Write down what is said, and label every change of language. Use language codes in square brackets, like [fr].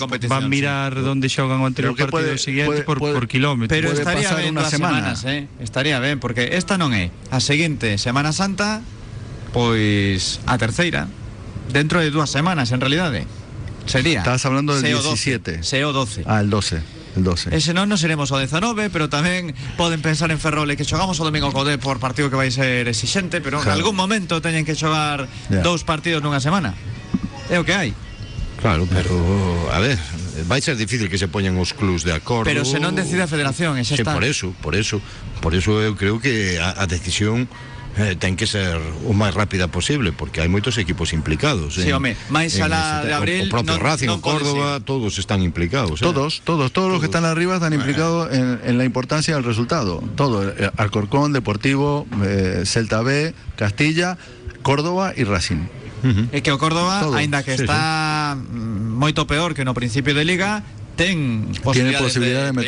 [gl] van mirar onde xogan o anterior partido por quilómetro. Pero estaría ben unhas semanas, estaría ben porque esta non é a seguinte Semana Santa, pois a terceira dentro de 2 semanas en realidade. Sería. [es] Estás hablando del 17. SEO 12. Ah, el 12. Ese no, nos iremos [gl] o 19, [es] pero también pueden pensar en Ferrol [gl] que xogamos o domingo [es] Codé por partido que vais a ser exigente, pero claro. En algún momento tienen que [gl] xogar [es] 2 partidos en una semana. ¿Es lo que hay? Claro, pero a ver, va a ser difícil que se pongan los clubs de acuerdo. [gl] Pero se no decide a Federación, ese está. [es] Por eso yo creo que [gl] a decisión. Ten que ser o máis rápida posible porque hai moitos equipos implicados. Sí, home, máis alá de abril. O propio Racing, o Córdoba, todos están implicados. [es] Todos los que están arriba están implicados en la importancia del resultado. Todo, Alcorcón, Deportivo, Celta B, Castilla, Córdoba y Racing. [gl] Uh-huh. E que o Córdoba, aínda que está moito peor que no principio de liga, [es] tiene posibilidad de